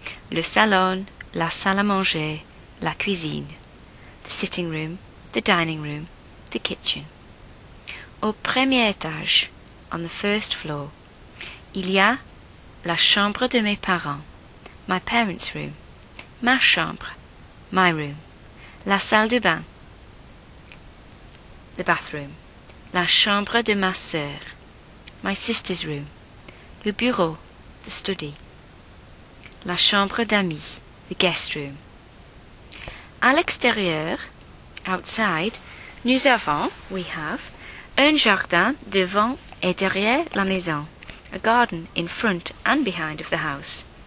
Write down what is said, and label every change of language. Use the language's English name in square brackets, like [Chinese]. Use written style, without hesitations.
[French] Le salon, la salle à manger, la cuisine. [English] The sitting room, the dining room, the kitchen. [French] Au premier étage, [English] on the first floor, [French] il y a la chambre de mes parents, [English] my parents' room, [French] ma chambre, [English] my room, [French] la salle de bain, [English] the bathroom, [French] la chambre de ma sœur, [English] my sister's room, [French] le bureau, [English] the study, [French] la chambre d'amis, [English] the guest room. [French] À l'extérieur, outside, nous avons, [English] we have, [French] un jardin devant et derrière la maison. [English] A garden in front and behind of the house.